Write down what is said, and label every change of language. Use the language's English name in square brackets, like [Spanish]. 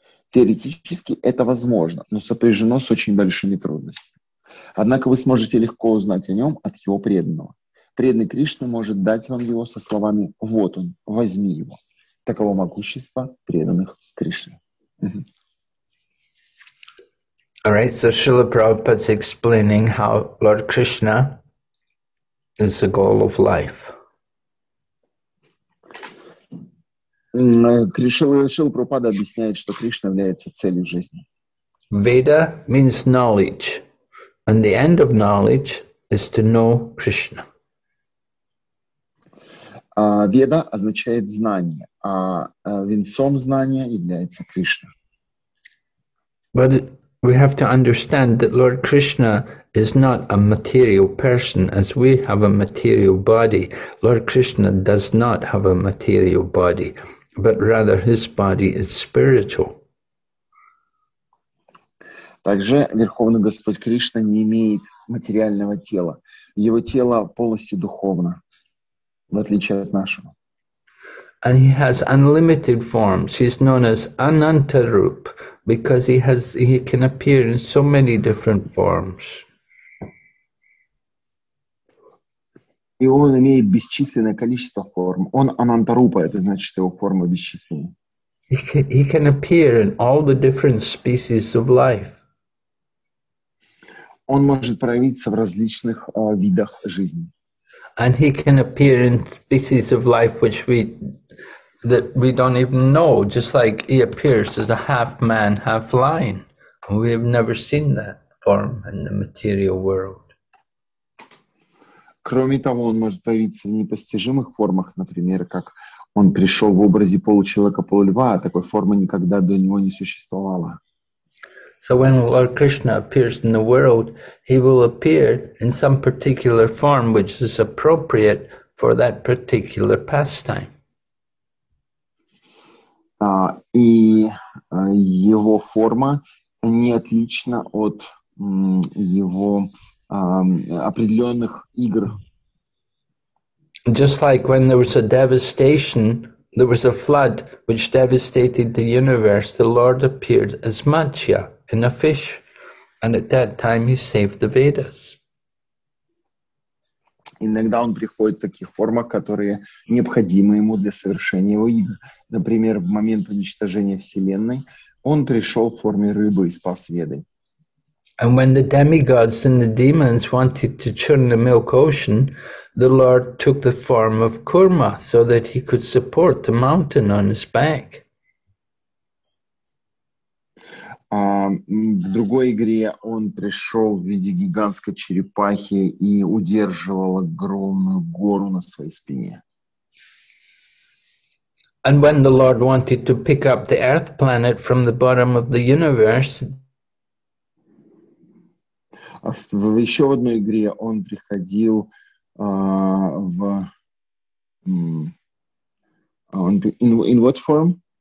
[Russian] Теоретически это возможно, но сопряжено с очень большими трудностями. Однако вы сможете легко узнать о нем от его преданного. Преданный Кришна может дать вам его со словами «Вот он, возьми его». Таково могущество преданных Кришне. [English] All right, so Srila Prabhupada's explaining how Lord Krishna is the goal of life. [Russian] Шрила Прабхупада объясняет, что Кришна является целью жизни. [English] Veda means knowledge, and the end of knowledge is to know Krishna. [Russian] Веда означает знание, а венцом знания является Кришна. [English] But we have to understand that Lord Krishna is not a material person, as we have a material body. Lord Krishna does not have a material body, but rather his body is spiritual. [Russian] Также Верховный Господь Кришна не имеет материального тела. Его тело полностью духовно, в отличие от нашего. [English] And he has unlimited forms. He's known as Anantarup because he can appear in so many different forms. [Russian] И он имеет бесчисленное количество форм. Он Анантарупа, это значит, что его формы бесчисленны. [English] He can appear in all the different species of life. [Russian] Он может проявиться в различных видах жизни. [English] And he can appear in species of life which we don't even know, just like he appears as a half man, half lion. We have never seen that form in the material world. [Russian] Кроме того, он может появиться в непостижимых формах, например, как он пришел в образе получеловека, полульва, а такой формы никогда до него не существовало. [English] So when Lord Krishna appears in the world, he will appear in some particular form which is appropriate for that particular pastime. [Russian] Его форма не отлична от его определенных игр. [English] Just like when there was a devastation, there was a flood which devastated the universe, the Lord appeared as Matsya in a fish, and at that time he saved the Vedas. [Russian] Иногда он приходит в таких формах, которые необходимы ему для совершения его игр. Например, в момент уничтожения Вселенной он пришел в форме рыбы и спас Веды. [English] And when the demigods and the demons wanted to churn the milk ocean, the Lord took the form of Kurma so that he could support the mountain on his back. [Russian] В другой игре он пришел в виде гигантской черепахи и удерживал огромную гору на своей спине. [English] And when the Lord wanted to pick up the earth planet from the bottom of the universe, [Russian] еще в одной игре он приходил в... [English] In what form?